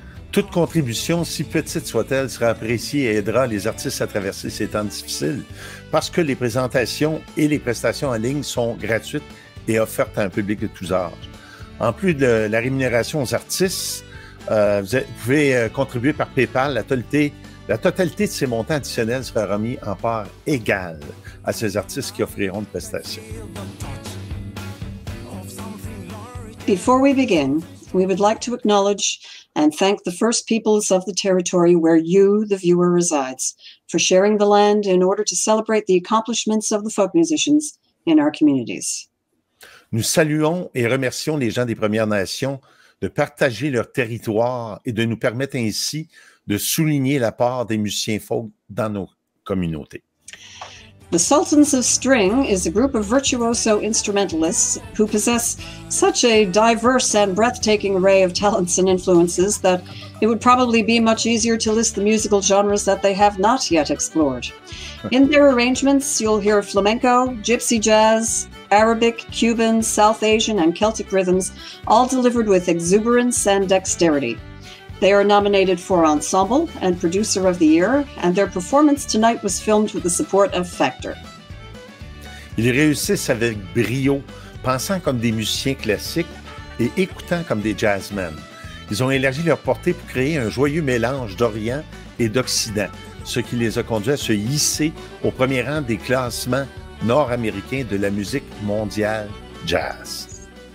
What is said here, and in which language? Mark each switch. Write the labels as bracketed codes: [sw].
[fr] Toute contribution, si petite soit-elle, sera appréciée et aidera les artistes à traverser ces temps difficiles parce que les présentations et les prestations en ligne sont gratuites et offertes à un public de tous âges. En plus de la rémunération aux artistes, vous pouvez contribuer par PayPal. La totalité de ces montants additionnels sera remis en part égale à ces artistes qui offriront de prestations. [en] Before we begin, we would like to acknowledge and thank the First Peoples of the territory where you, the viewer, resides, for sharing the land in order to celebrate the accomplishments of the folk musicians in our communities. [fr] Nous saluons et remercions les gens des Premières Nations de partager leur territoire et de nous permettre ainsi de souligner la part des musiciens folk dans nos communautés. [en] The Sultans of String is a group of virtuoso instrumentalists who possess such a diverse and breathtaking array of talents and influences that it would probably be much easier to list the musical genres that they have not yet explored. In their arrangements, you'll hear flamenco, gypsy jazz, Arabic, Cuban, South Asian, and Celtic rhythms, all delivered with exuberance and dexterity. They are nominated for Ensemble and Producer of the Year, and their performance tonight was filmed with the support of Factor. [fr] Ils réussissent avec brio, pensant comme des musiciens classiques et écoutant comme des jazzmen. Ils ont élargi leur portée pour créer un joyeux mélange d'Orient et d'Occident, ce qui les a conduits à se hisser au premier rang des classements nord-américains de la musique mondiale jazz.